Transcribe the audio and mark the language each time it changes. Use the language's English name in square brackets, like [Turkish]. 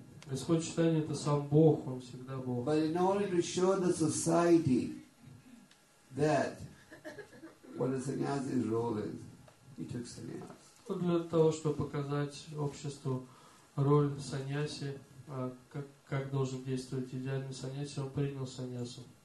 [Russian] Господь Чайтанья это сам Бог, Он всегда Бог. [English] But in order to show the society that what a sannyasi's role is, he took sannyas. [Russian] Для того, чтобы показать обществу роль саньяси, как должен действовать идеальный саньяси, он принял саньясу.